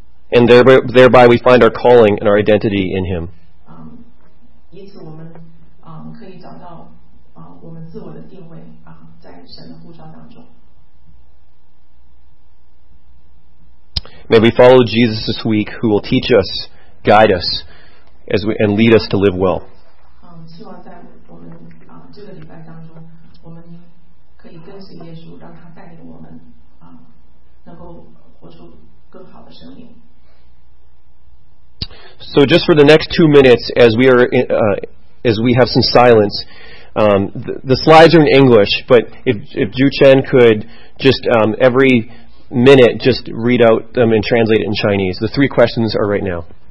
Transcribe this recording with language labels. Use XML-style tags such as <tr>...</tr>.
<en>And thereby we find our calling and our identity in Him.</en> <zh>以此我们可以找到我们自我的定位在神的呼召当中。</zh> <en>May we follow Jesus this week, who will teach us, guide us, and lead us to live well.</en> <zh>希望在我们这个礼拜当中，我们可以跟随耶稣，让他带领我们能够活出更好的生命。</zh> <en>So just for the next 2 minutes, as we are as we have some silence, the slides are in English, but if Ju Chen could just every minute just read out them and translate it in Chinese. The three questions are right now.</en>